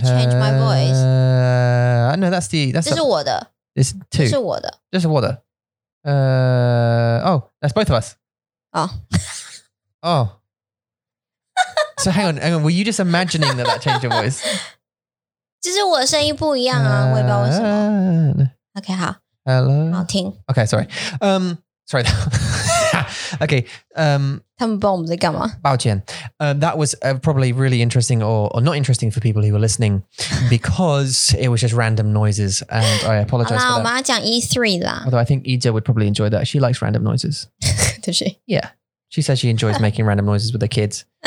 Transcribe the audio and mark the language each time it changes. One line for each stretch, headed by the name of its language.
English: Change my voice. No, that's the...
Chinese: 这是我的。
English: It's two.
Chinese: 这是我的。这是我的。
English: Oh, that's both of us. Oh. Oh. So hang on. Were you just imagining that change of voice?
Chinese: 这是我的声音不一样啊，我也不知道为什么。 Okay, 好。
English: Hello.
Chinese: 好听。
English: Okay, sorry. Sorry. Okay.
Chinese: 他们不知道我们在干嘛。抱歉。
English: That was probably really interesting or not interesting for people who were listening because it was just random noises and I apologize for that.
Chinese: 好啦，我们要讲 E3 啦。
English: Although I think Ida would probably enjoy that. She likes random noises. Does she? Yeah. She says she enjoys making random noises with the kids.